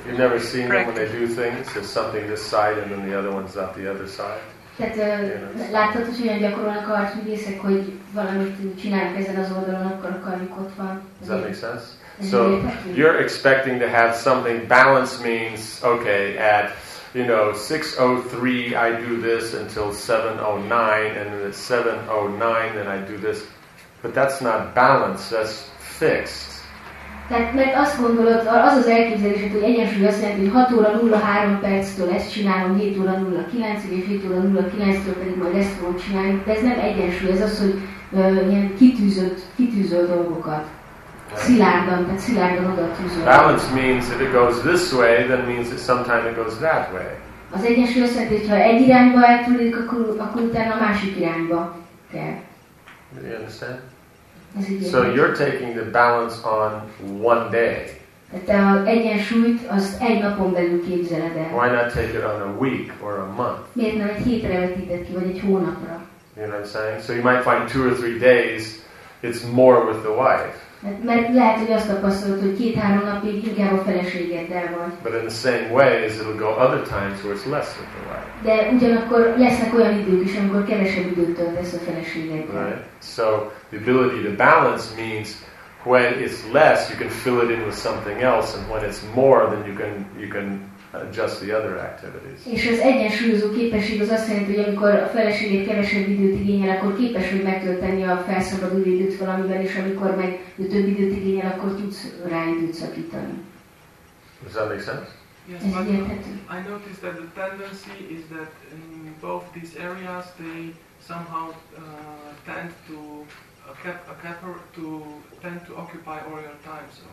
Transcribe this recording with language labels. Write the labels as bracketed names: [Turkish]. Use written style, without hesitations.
[English] You've never seen them when they do things. There's something this side, and then the other one's up the other side. [Hungarian] Láttad, hogy olyan gyakorolnak a harcművészek, hogy valamit csinálnak ezen az oldalon, akkor a karjuk ott van. [English] Does that make sense? So you're expecting to have something. Balance means okay. At 6:03, I do this until 7:09, and then at 7:09, then I do this. But that's not balance, that's fixed. [Hungarian] Tehát mert azt gondolod, az az elképzelés, hogy egyensúly azt jelenti, hogy 6:03-tól ezt csinálom, 7:09-ig, és 7:09-től pedig majd ezt fogom csinálni. De ez nem egyensúly, ez az, hogy ilyen kitűzölt dolgokat. Szilárdan, tehát szilárdan oda tűzölt. [English] Balance means if it goes this way, then means that sometime it goes that way. [Hungarian] Az egyensúly azt jelenti, hogy ha egy irányba eltűnik, akkor utána a másik irányba kell. [English] Do you understand? So you're taking the balance on one day. [Hungarian] Te az egyensúlyt azt egy napon belül képzeled el. [English] Why not take it on a week or a month? [Hungarian] Miért nem egy hétre vetíted ki, vagy egy hónapra? [English] You know what I'm saying? So you might find 2 or 3 days, it's more with the wife. [Hungarian] Mert lehet, hogy azt tapasztalod, hogy 2-3 napig inkább a feleségeddel vagy. [English] But in the same way, it'll go other times where it's less with the wife. [Hungarian] De ugyanakkor lesznek olyan idők is, amikor kevesebb időt töltesz a feleségeddel. [English] Right. So the ability to balance means when it's less, you can fill it in with something else, and when it's more, then you can adjust the other activities. [Hungarian] És az egyensúlyozó képesség az azt jelenti, hogy amikor a feleséged kevesebb időt igényel, akkor képes vagy megtölteni a felszabaduló időt valamivel, és amikor meg több időt igényel, akkor tudsz rá időt szakítani. [English] Does that make sense? Yes, I noticed that the tendency is that in both these areas they somehow tend to occupy all your time.